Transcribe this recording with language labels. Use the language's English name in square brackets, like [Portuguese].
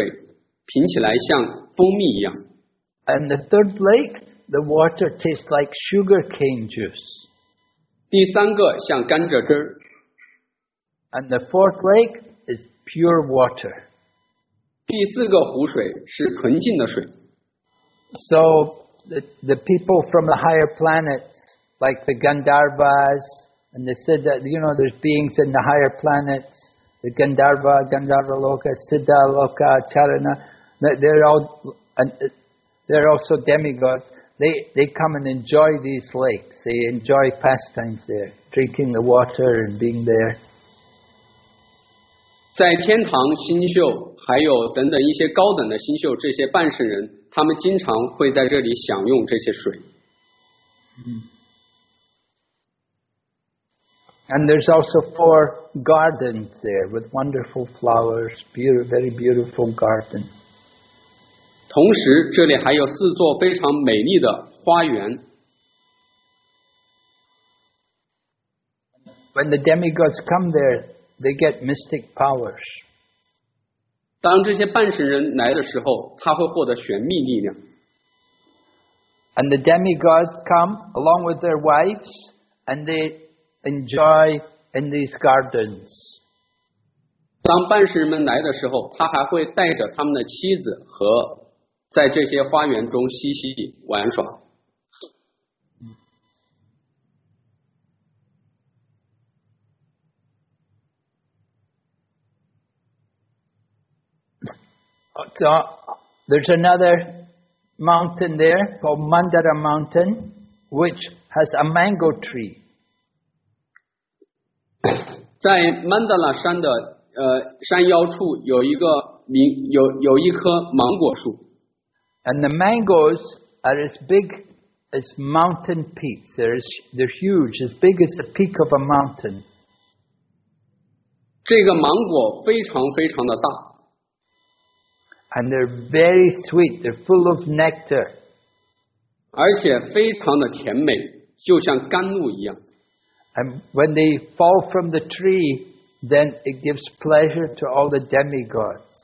[Chinese] 第二个湖的湖水，品起来像蜂蜜一样。 [English] And the third lake, the water tastes like sugar cane juice. [Chinese] 第三个像甘蔗汁儿。 [English] And the fourth lake is pure water. [Chinese] 第四个湖水是纯净的水。 [English] So the people from the higher planets, like the Gandharvas, and they said that, you know, there's beings in the higher planets, the Gandharva, Gandharva Loka, Siddha Loka, Charana, they're also demigods. They come and enjoy these lakes. They enjoy pastimes there, drinking the water and being there. [Chinese] 在天堂星宿，还有等等一些高等的星宿， 这些半圣人， 他们经常会在这里享用这些水。 [English] And there's also four gardens there with wonderful flowers, very beautiful gardens. [Chinese] 同时，这里还有四座非常美丽的花园。 [English] When the demigods come there, they get mystic powers. [Chinese] 当这些半神人来的时候，他会获得玄秘力量。 [English] And the demigods come along with their wives, and they enjoy in these gardens. [Chinese] 当半神人们来的时候，他还会带着他们的妻子和 在这些花园中嬉戏玩耍。 [English] So there's another mountain there called Mandara Mountain, which has a mango tree. [Chinese] 在曼德拉山的山腰处有一棵芒果树。 [English] And the mangoes are as big as mountain peaks. They're huge, as big as the peak of a mountain. [Chinese] 这个芒果非常非常的大。 [English] And they're very sweet. They're full of nectar. [Chinese] 而且非常的甜美, 就像甘露一样。 [English] And when they fall from the tree, then it gives pleasure to all the demigods.